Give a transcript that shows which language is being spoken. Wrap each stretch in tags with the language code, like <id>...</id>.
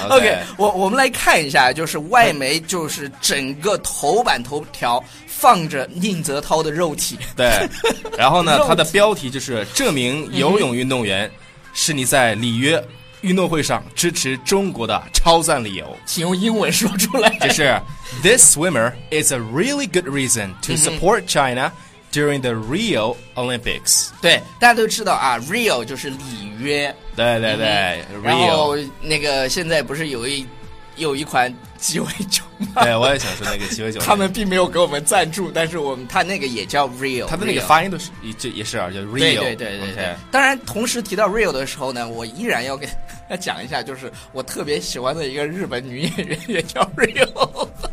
<zh>OK， 我们来看一下，就是外媒就是整个头版头条放着宁泽涛的肉体。对，然后呢他的标题就是这名游泳运动员是你在里约运动会上支持中国的超赞理由，请用英文说出来。就是</zh> <en>This swimmer is a really good reason to support China during the Rio Olympics。</en> <zh>对，大家都知道啊， Rio 就是里约。对对对，然后那个现在不是有一款鸡尾酒吗？对，我也想说那个鸡尾酒。他们并没有给我们赞助，但是我们他那个也叫 Rio，他的那个发音都是也是啊，叫 Rio。对对对对对。 Okay。当然，同时提到 Rio 的时候呢，我依然要给他讲一下，就是我特别喜欢的一个日本女演员也叫 Rio。</zh>